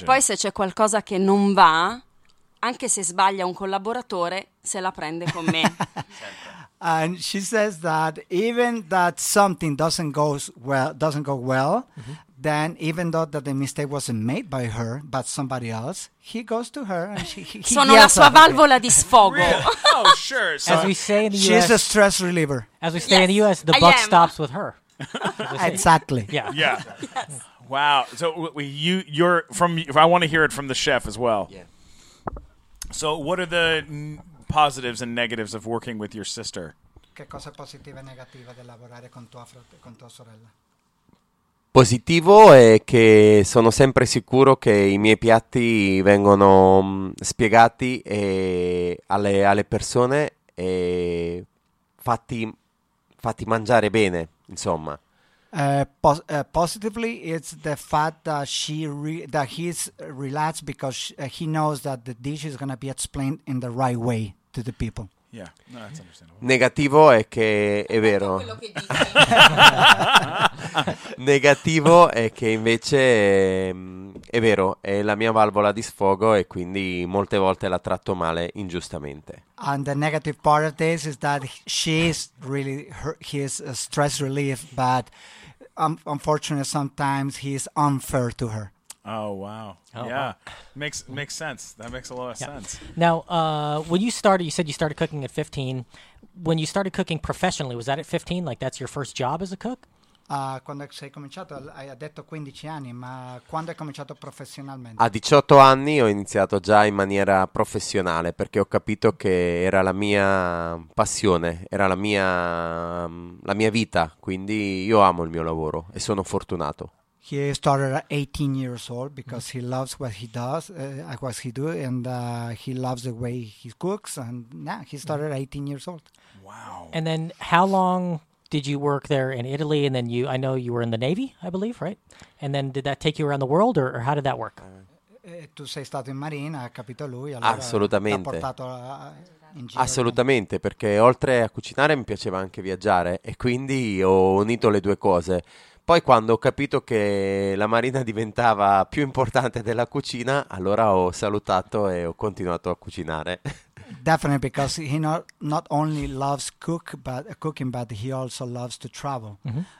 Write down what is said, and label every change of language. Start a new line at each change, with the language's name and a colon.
Italian: E poi se c'è qualcosa che non va, anche se sbaglia un collaboratore, se la prende con me.
English: And she says that even that something doesn't go well, mm-hmm. then even though that the mistake wasn't made by her but somebody else, he goes to her and he
Italian: sono la sua valvola di sfogo.
English: Really? Oh, sure. So as we say in the she's US, a stress reliever. As we say yes. in the US, the I buck am. Stops with her. Exactly. Yeah. Wow. So you're from. If I want to hear it from the chef as well. Yeah. So what are the positives and negatives of working with your sister?
Italian: Che cosa positiva e negativa di lavorare con tua fratello, con tua sorella? Positivo è che sono sempre sicuro che i miei piatti vengono spiegati e alle persone e fatti mangiare bene, insomma.
English: Positively, it's the fact that he's relaxed because he knows that the dish is going to be explained in the right way. To the people. Yeah, no, that's understandable.
Italian: Negativo è che è vero. Negativo è che invece è vero, è la mia valvola di sfogo e quindi molte volte la tratto male ingiustamente.
English: And the negative part of this is that she's really his stress relief, but unfortunately sometimes he's unfair to her. Oh, wow. Makes sense. That makes a lot of sense. Now, when you started, you said you started cooking at 15. When you started cooking professionally, was that at 15? Like, that's your first job as a cook?
Italian: Quando sei cominciato, hai detto 15 anni, ma quando hai cominciato professionalmente? A 18 anni ho iniziato già in maniera professionale, perché ho capito che era la mia passione, era la mia vita. Quindi io amo il mio lavoro e sono fortunato.
English: He started at 18 years old because he loves what he does, what he do, and he loves the way he cooks. And yeah, he started at 18 years old. Wow. And then how long did you work there in Italy? And then I know you were in the Navy, I believe, right? And then did that take you around the world, or how did that work?
Italian: Tu sei stato in Marina, ha capito lui. Allora assolutamente. L'ha portato in giro. Assolutamente, perché oltre a cucinare mi piaceva anche viaggiare e quindi ho unito le due cose. Poi quando ho capito che la marina diventava più importante della cucina, allora ho salutato e ho continuato a cucinare.
English: Definitely, because he not only loves cooking, but he also loves to travel. Mm-hmm.